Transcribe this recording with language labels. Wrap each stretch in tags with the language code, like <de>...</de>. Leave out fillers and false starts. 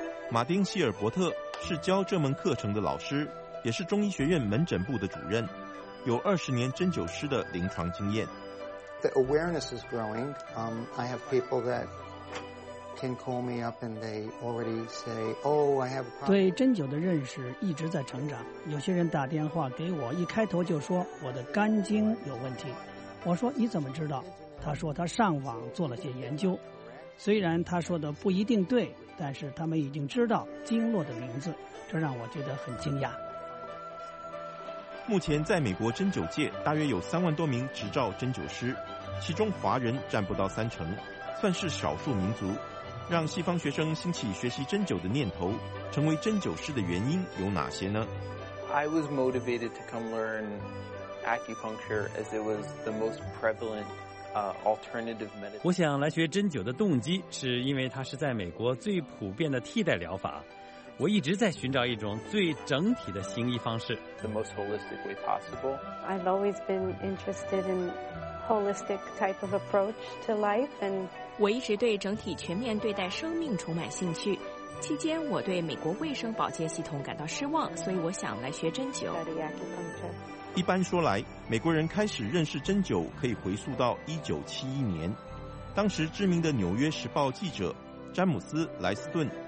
<zh>马丁·希尔伯特是教这门课程的老师，也是中医学院门诊部的主任，有20年针灸师的临床经验。</zh> <en>The awareness is growing. I have people that can call me up and they already say, "Oh, I have."</en> <zh>对针灸的认识一直在成长。有些人打电话给我，一开头就说我的肝经有问题。我说你怎么知道？他说他上网做了些研究。虽然他说的不一定对，但是他们已经知道经络的名字，这让我觉得很惊讶。目前在美国针灸界大约有30000多名执照针灸师，其中华人占不到30%，算是少数民族。让西方学生兴起学习针灸的念头，成为针灸师的原因有哪些呢？</zh> <en>I was motivated to come learn acupuncture as it was the most prevalent alternative medicine.</en> <zh>我想来学针灸的动机是因为它是在美国最普遍的替代疗法。我一直在寻找一种最整体的行医方式。</zh> <en>The most holistic way possible. I've always been interested in holistic type of approach to life, and</en> <zh>我一直对整体全面对待生命充满兴趣。期间，我对美国卫生保健系统感到失望，所以我想来学针灸。一般说来，美国人开始认识针灸可以回溯到1971年，当时知名的《纽约时报》记者詹姆斯·莱斯顿。</zh>